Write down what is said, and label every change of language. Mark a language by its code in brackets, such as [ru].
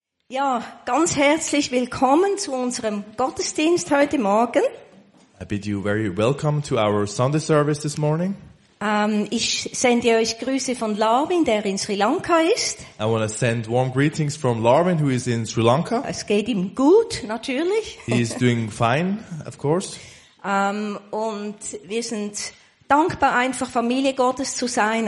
[de] Ja, ganz herzlich willkommen zu unserem Gottesdienst heute Morgen. [en] I bid you very welcome to our Sunday service this morning. [de] Ich sende euch Grüße von Larwin, der in Sri Lanka ist. [en] I want to send warm greetings from Larwin, who is in Sri Lanka. [de] Es geht ihm gut, natürlich. [en] He is doing fine, of course. [de] Und wir sind dankbar, einfach Familie Gottes zu sein.